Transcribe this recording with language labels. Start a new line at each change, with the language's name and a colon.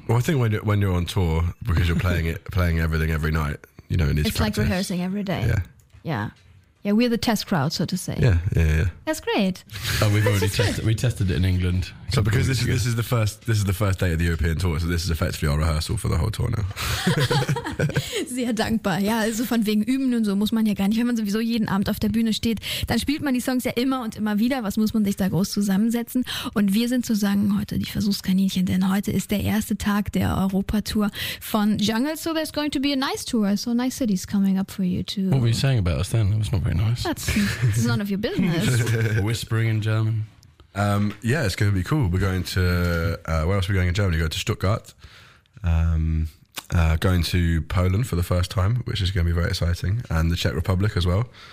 English: Well, I think when you're on tour, because you're playing everything every night, you know, it's like rehearsing every day. Yeah, we're the test crowd, so to say. Yeah. That's great. Oh, we've already tested. We tested it in England. So because this is the first day of the European tour, so this is effectively our rehearsal for the whole tour now.
German: Sehr dankbar. Ja, also von wegen üben und so muss man ja gar nicht. Wenn man sowieso jeden Abend auf der Bühne steht, dann spielt man die Songs ja immer und immer wieder. Was muss man sich da groß zusammensetzen? Und wir sind sozusagen heute die Versuchskaninchen, denn heute ist der erste Tag der Europa-Tour von Jungle.
English: So there's going to be a nice tour. So nice cities coming up for you too. What were you saying about us then? It was not very nice. That's none of your business. Whispering in German. Yeah, it's going to be cool. We're going to, where else are we going in Germany? We're going to Stuttgart, going to Poland for the first time, which is going to be very exciting, and the Czech Republic as well.